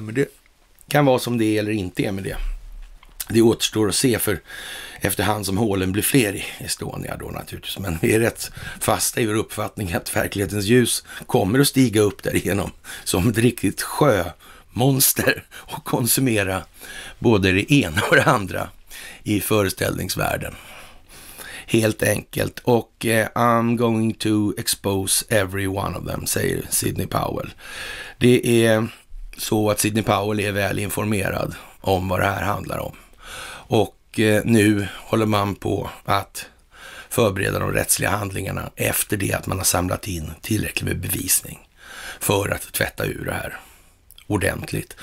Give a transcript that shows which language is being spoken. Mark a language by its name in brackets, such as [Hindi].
[Swedish] Men det kan vara som det är eller inte är med det. Det återstår att se, för efterhand som hålen blir fler i Estonia då naturligtvis. Men vi är rätt fasta i vår uppfattning att verklighetens ljus kommer att stiga upp därigenom som ett riktigt sjömonster och konsumera både det ena och det andra i föreställningsvärlden. Helt enkelt. Och [English] I'm going to expose every one of them, [Swedish] säger [English] Sidney Powell. [Swedish] Det är så att Sidney Powell är väl informerad om vad det här handlar om. Och nu håller man på att förbereda de rättsliga handlingarna efter det att man har samlat in tillräckligt med bevisning för att tvätta ur det här ordentligt.